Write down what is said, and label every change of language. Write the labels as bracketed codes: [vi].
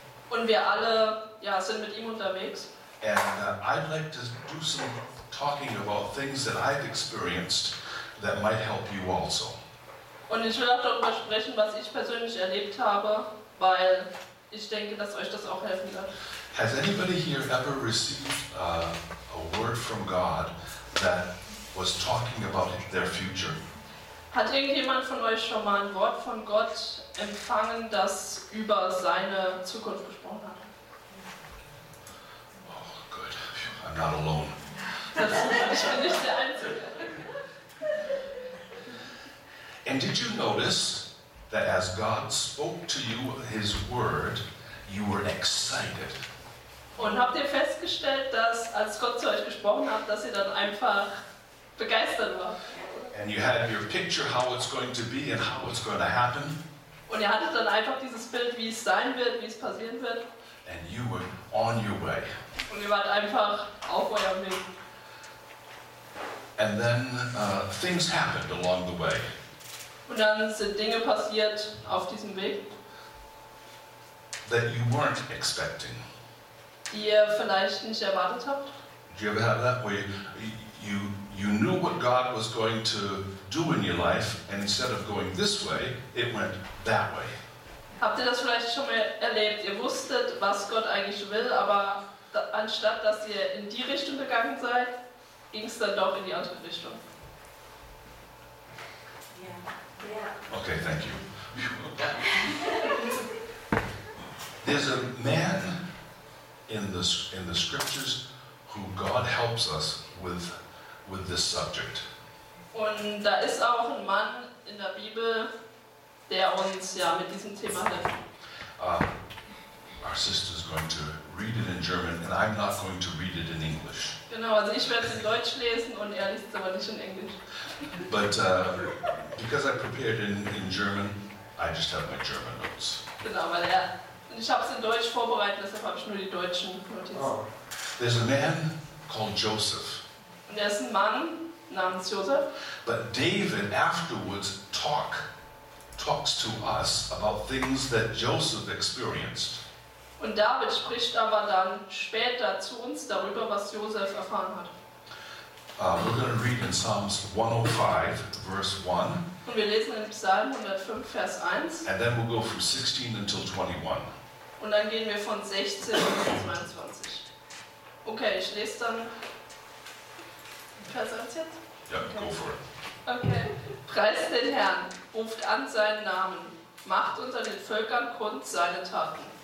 [de] Und wir alle, ja, sind mit ihm unterwegs. [en] And I'd like to do some talking about things that I've experienced that might help you also. [de] Und ich will auch darüber sprechen, was ich persönlich erlebt habe, weil ich denke, dass euch das auch helfen wird. [en] Has anybody here ever received a word from God that was talking about their future? [de] Hat irgendjemand von euch schon mal ein Wort von Gott empfangen, das über seine Zukunft gesprochen hat? [en] Oh, good. I'm not alone. [de] Ich bin nicht der Einzige. [en] And did you notice that as God spoke to you his word, you were excited? [de] Und habt ihr festgestellt, dass als Gott zu euch gesprochen hat, dass ihr dann einfach begeistert wart? [en] And you had your picture how it's going to be and how it's going to happen. [de] Und ihr hattet dann einfach dieses Bild, wie es sein wird, wie es passieren wird. [en] And you were on your way. [de] Und ihr wart einfach auf eurem Weg. [en] And then things happened along the way. [de] Und dann sind Dinge passiert auf diesem Weg, [en] that you weren't expecting. [de] Die ihr vielleicht nicht erwartet habt. [en] Did you ever have that way? You knew what God was going to do in your life, and instead of going this way, it went that way. [de] Habt ihr das vielleicht schon mal erlebt? Ihr wusstet, was Gott eigentlich will, aber anstatt dass ihr in die Richtung gegangen seid, ging es dann doch in die andere Richtung. [en] Yeah. Okay, thank you. There's a man in the scriptures who God helps us with this subject. [de] Und da ist auch ein Mann in der Bibel, der uns ja mit diesem Thema hilft. [en] Our sister is going to read it in German and I'm not going to read it in English. [de] Genau, also ich werde es in Deutsch lesen und er liest es aber nicht in Englisch. [en] But because I prepared in German, I just have my German notes. [de] Genau, weil er, ich habe es in Deutsch vorbereitet, deshalb habe ich nur die deutschen Notizen. Oh. [en] There's a man called Joseph. [de] Und er ist ein Mann namens Joseph. [en] But David afterwards talks to us about things that Joseph experienced. [de] Und David spricht aber dann später zu uns darüber, was Josef erfahren hat. [en] We're going to read in Psalms 105, verse 1. [de] Und wir lesen in Psalm 105, Vers 1. [en] And then we'll go from 16 until 21. [de] Und dann gehen wir von 16 bis 22. Okay, ich lese dann Vers 1 jetzt. [en] Ja, yeah, go for it. Okay. [de] Preist den Herrn, ruft an seinen Namen, macht unter den Völkern kund seine Taten.